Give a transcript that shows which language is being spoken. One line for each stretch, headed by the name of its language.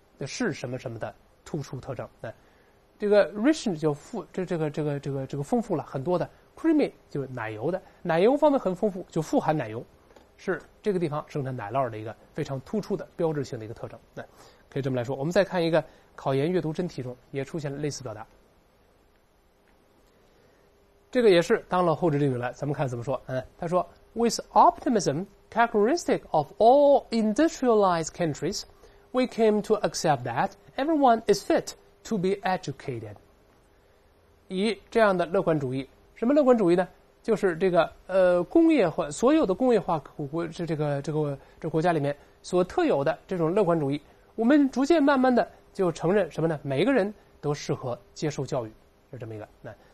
Chinese: 那是什么什么的突出特征？那这个 rich 就富，这个丰富了很多的 creamy 就奶油的，奶油方面很丰富，就富含奶油，是这个地方生产奶酪的一个非常突出的标志性的一个特征。那可以这么来说，我们再看一个考研阅读真题中也出现了类似表达。这个也是当了后置定语了，咱们看怎么说。他说
English: ，With optimism characteristic of all industrialized countries, we came to accept that everyone is fit to be educated。
Chinese: 以这样的乐观主义，什么乐观主义呢？就是这个工业化，所有的工业化国这国家里面所特有的这种乐观主义，我们逐渐慢慢的就承认什么呢？每个人都适合接受教育，是这么一个。